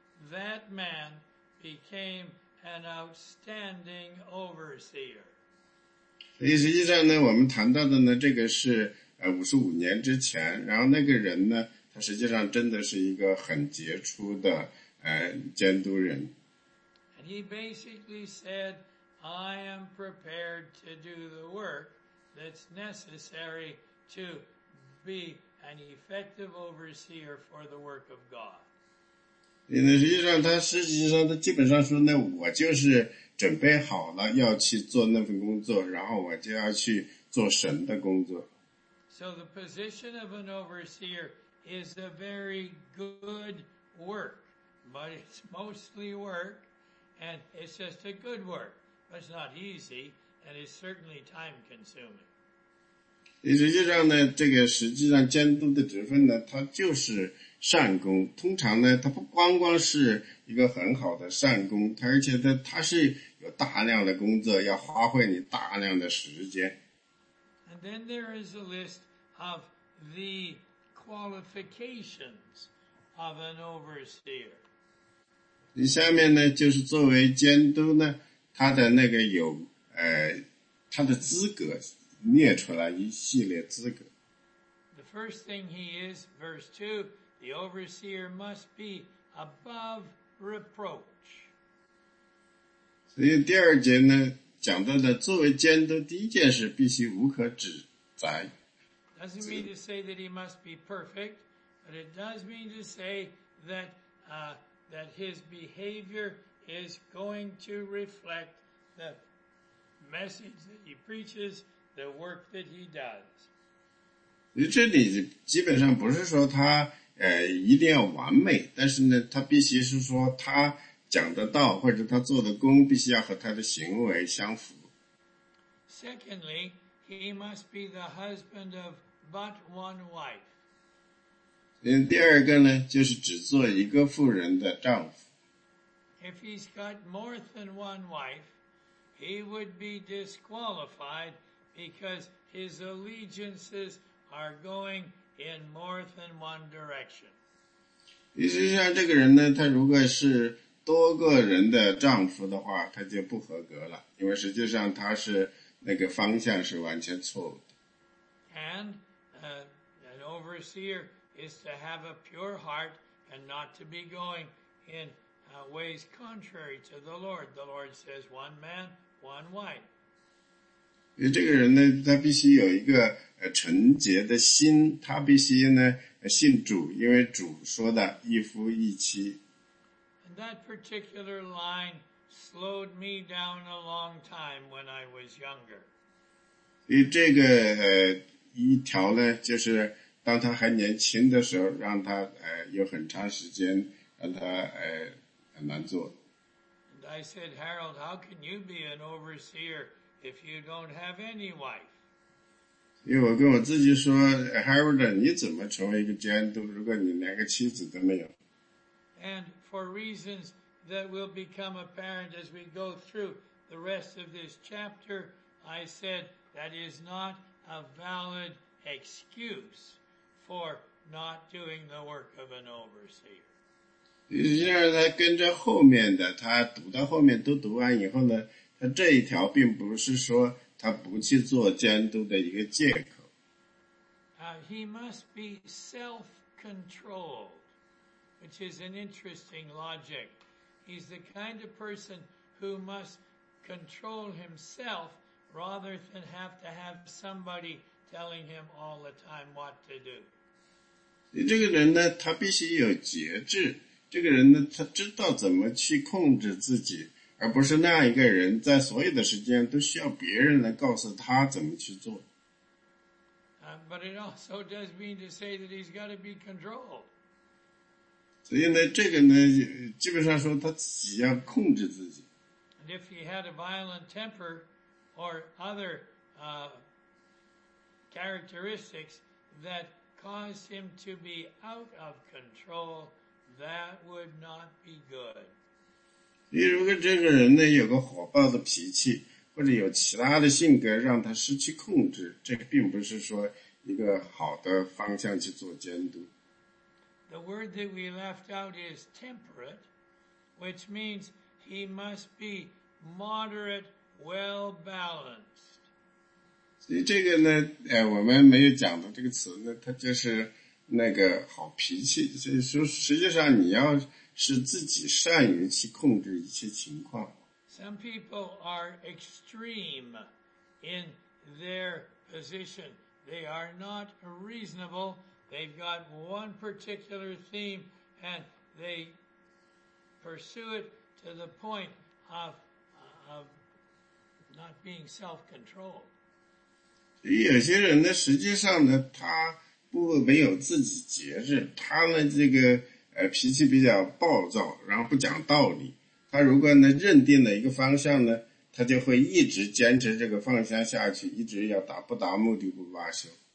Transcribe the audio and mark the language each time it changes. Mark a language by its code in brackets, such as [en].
[en] That man became an outstanding overseer. [zh] 所以实际上呢，我们谈到的呢，这个是55年之前，然后那个人呢，他实际上真的是一个很杰出的监督人。 [en] And he basically said, I am prepared to do the work that's necessary to be an effective overseer for the work of God. [zh] 实际上他基本上说呢，我就是准备好了要去做那份工作，然后我就要去做神的工作。 [en] So the position of an overseer is a very good work, but it's mostly work, and it's just a good work. But it's not easy, and it's certainly time-consuming. [zh] 实际上呢，这个实际上监督的职分呢，它就是善工。通常呢，它不光光是一个很好的善工，它而且它是有大量的工作，要花费你大量的时间。 [en] And then there is a list of the qualifications of an overseer. [zh] 你下面呢，就是作为监督呢，他的那个有他的资格。列出来一系列资格。 [en] The first thing he is, verse 2, the overseer must be above reproach. [zh] 所以第二节呢，讲到的作为监督，第一件事必须无可指摘。 [en] Doesn't mean to say that he must be perfect, but it does mean to say that, that his behavior is going to reflect the message that he preaches,the work that he does. [zh] 这里基本上不是说他一定要完美，但是呢，他必须是说他讲的道或者他做的工必须要和他的行为相符。 [en] Secondly, he must be the husband of but one wife. [zh] 第二个呢，就是只做一个妇人的丈夫。 [en] If he's got more than one wife, he would be disqualified. Because his allegiances are going in more than one direction. [zh] 意思是这个人呢，他如果是多个人的丈夫的话，他就不合格了，因为实际上他是那个方向是完全错误的。 [en] And an overseer is to have a pure heart and not to be going in ways contrary to the Lord. The Lord says, one man, one wife. [zh] 因为这个人呢，他必须有一个纯洁的心，他必须呢信主，因为主说的一夫一妻。 [en] And that particular line slowed me down a long time when I was younger. [zh] 所以这个一条呢，就是当他还年轻的时候，让他有很长时间让他很难做。 [en] And I said, Harold, how can you be an overseer? If you don't have any wife. [zh] 因为我跟我自己说 ,Harold, 你怎么成为一个监督如果你连个妻子都没有。 [en] And for reasons that will become apparent as we go through the rest of this chapter, I said that is not a valid excuse for not doing the work of an overseer. [zh] 因为他跟着后面的他读到后面都读完以后呢那这一条并不是说他不去做监督的一个借口。 [en] He must be self-controlled, which is an interesting logic. He's the kind of person who must control himself rather than have to have somebody telling him all the time what to do. [zh] 这个人呢，他必须有节制。这个人呢，他知道怎么去控制自己。而不是那样一个人在所有的时间都需要别人来告诉他怎么去做。 [en] But it also does mean to say that he's got to be controlled. [zh] 所以呢，这个呢，基本上说他自己要控制自己。 [en] And if he had a violent temper or other characteristics that caused him to be out of control, that would not be good. [zh] 你如果这个人呢有个火爆的脾气或者有其他的性格让他失去控制这个并不是说一个好的方向去做监督。 [en] The word that we left out is temperate, which means he must be moderate, well-balanced. [zh] 所以这个呢我们没有讲的这个词呢它就是那个好脾气所以说实际上你要是自己善于去控制一些情况。 [en] Some people are extreme in their position. They are not reasonable. They've got one particular theme and they pursue it to the point of not being self-controlled. [zh] 有些人呢，实际上呢，他没有自己节制，他呢这个脾气比较暴躁，然后不讲道理。他如果呢认定了一个方向呢，他就会一直坚持这个方向下去，一直要达不达目的不罢休。